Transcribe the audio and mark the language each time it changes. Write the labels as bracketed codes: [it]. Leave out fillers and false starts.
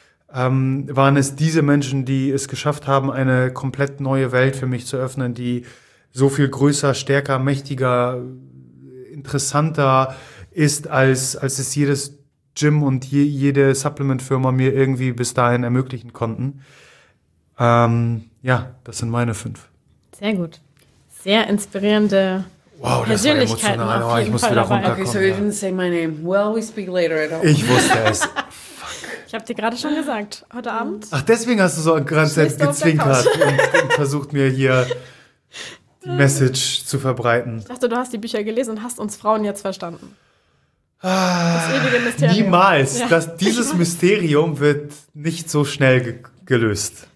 [de] waren es diese Menschen, die es geschafft haben, eine komplett neue Welt für mich zu öffnen, die so viel größer, stärker, mächtiger, interessanter ist, als es jedes Gym und jede Supplement-Firma mir irgendwie bis dahin ermöglichen konnten. Ja, das sind meine 5. Sehr gut. Sehr inspirierende Persönlichkeiten. Wow, das war emotional. Ich muss wieder runterkommen. [en] Okay, so you didn't say my name. Well, we speak later at all. [de] Ich wusste es. Ich habe dir gerade schon gesagt, heute Abend. Ach, deswegen hast du so ganz gezwinkert und versucht mir hier Message zu verbreiten. Ich dachte, du hast die Bücher gelesen und hast uns Frauen jetzt verstanden. Das ewige Mysterium. Niemals. Ja. Dieses Mysterium wird nicht so schnell gelöst.